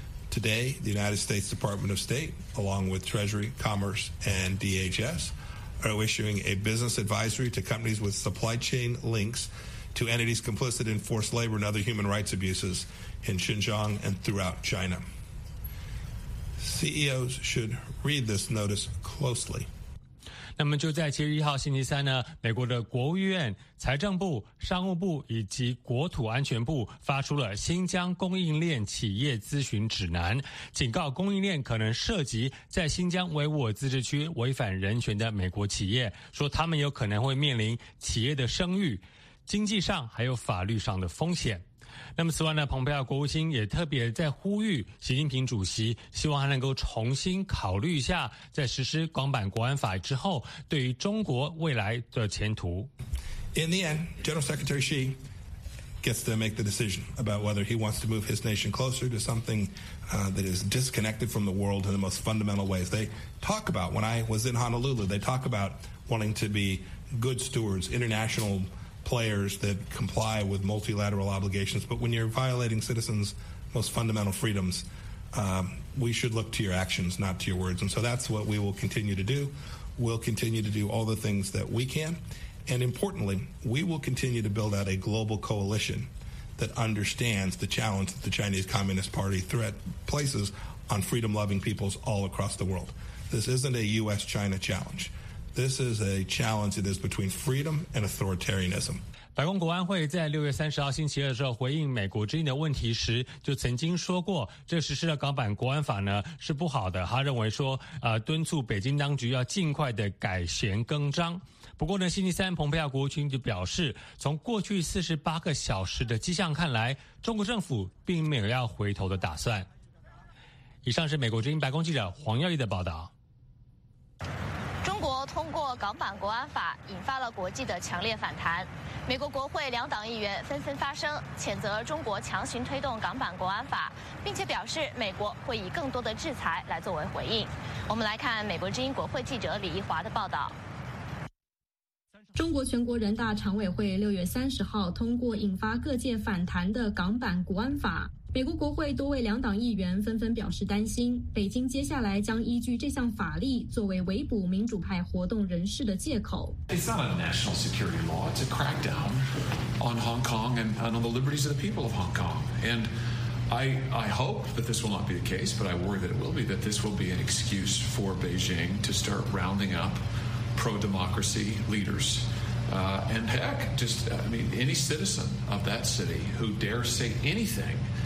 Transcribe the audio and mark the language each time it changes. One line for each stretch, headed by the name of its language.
English: Today, the United States Department of State, along with Treasury, Commerce, and DHS, are issuing a business advisory to companies with supply chain links to entities complicit in forced labor and other human rights abuses in Xinjiang and throughout China. CEOs should read this notice closely.
Chinese: 那么就在7月1号星期三呢，美国的国务院、财政部、商务部以及国土安全部发出了新疆供应链企业咨询指南，警告供应链可能涉及在新疆维吾尔自治区违反人权的美国企业，说他们有可能会面临企业的声誉、经济上还有法律上的风险。那么此外呢，蓬佩奥国务卿也特别在呼吁习近平主席，希望他能够重新考虑一下在实施港版国安法之后对于中国未来的前途。
English: In the end, General Secretary Xi gets to make the decision about whether he wants to move his nation closer to something that is disconnected from the world in the most fundamental ways. They talk about, when I was in Honolulu, they talk about wanting to be good stewards, internationalplayers that comply with multilateral obligations, but when you're violating citizens' most fundamental freedoms, we should look to your actions, not to your words. And so that's what we will continue to do. We'll continue to do all the things that we can. And importantly, we will continue to build out a global coalition that understands the challenge that the Chinese Communist Party threat places on freedom-loving peoples all across the world. This isn't a US-China challenge.This is a challenge that is between freedom and authoritarianism.
Chinese: 白宫国安会在6月30号星期二的时候回应美国之音的问题时，就曾经说过，这实施的港版国安法呢是不好的。他认为说，敦促北京当局要尽快的改弦更张。不过呢，星期三蓬佩奥国务卿就表示，从过去48个小时的迹象看来，中国政府并没有要回头的打算。以上是美国之音白宫记者黄耀毅的报道。通过港版国安法引发了国际的强烈反弹，美国国会两党议员纷纷发声谴责中国强行推动港版国安法，并且表示美国会以更多的制裁来作为回应。我们来看美国之音国会记者李一华的报道。中国全国人大常委会6月30号通过引发各界反弹的港版国安法，美国国会多位两党议员纷纷表示担心，北京接下来将依据这项法律作为围捕民主派活动人士的借口。
English: It's not a national security law. It's a crackdown on Hong Kong and on the liberties of the people of Hong Kong. And I hope that this will not be the case, but I worry that it will be. That this will be an excuse for Beijing to start rounding up pro-democracy leaders. And heck, just I mean, any citizen of that city who dare say anything.